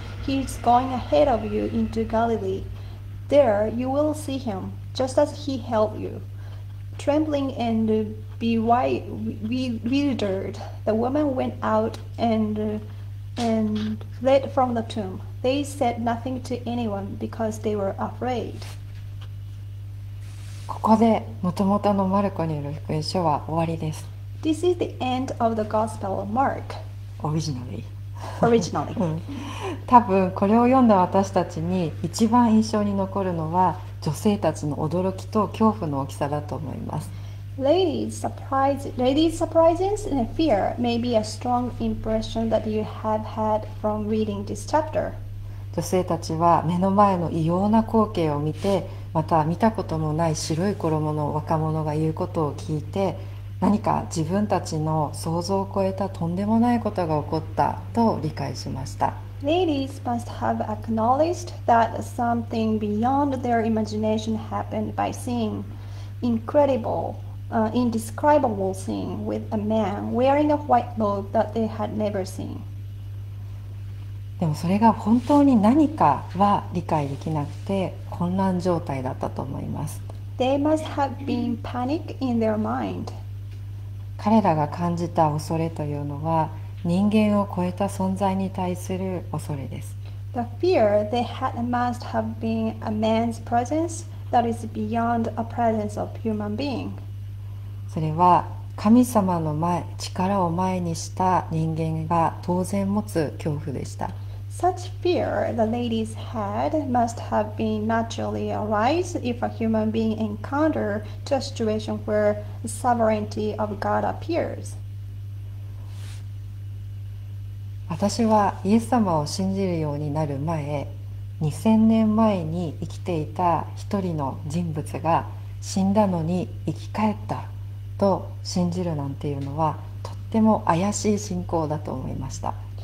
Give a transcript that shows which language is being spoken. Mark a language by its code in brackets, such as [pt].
[en] He's going ahead of you into Galilee. There you will see him, just as he held you." Trembling and bewildered, the woman went out and fled from the tomb. They said nothing to anyone because they were afraid. [ja] ここで元々のマルコによる福音書は終わりです。 [en] This is the end of the Gospel of Mark, [ja] オリジナル。 [en] originally. [ja] 多分これを読んだ私たちに一番印象に残るのは、女性たちの驚きと恐怖の大きさだと思います。 [en] Ladies' surprises and fear may be a strong impression that you have had from reading this chapter. [ja] 女性たちは目の前の異様な光景を見て、また見たこともない白い衣の若者が言うことを聞いて、何か自分たちの想像を超えたとんでもないことが起こったと理解しました。 [en] Ladies must have acknowledged that something beyond their imagination happened by seeing incredible, indescribable scene with a man wearing a white robe that they had never seen. [ja] でもそれが本当に何かは理解できなくて、混乱状態だったと思います。 [en] They must have been panic in their mind. [ja] 彼らが感じた恐れというのは、人間を超えた存在に対する恐れです。 [en] The fear they had must have been a man's presence that is beyond a presence of human being. [ja] それは神様の前、力を前にした人間が当然持つ恐怖でした。 [en] Such fear the ladies had must have been naturally arise if a human being encountered to a situation where the sovereignty of God appears. [ja] 私はイエス様を信じるようになる前、2000年前に生きていた一人の人物が死んだのに生き返ったと信じるなんていうのは、とっても怪しい信仰だと思いました。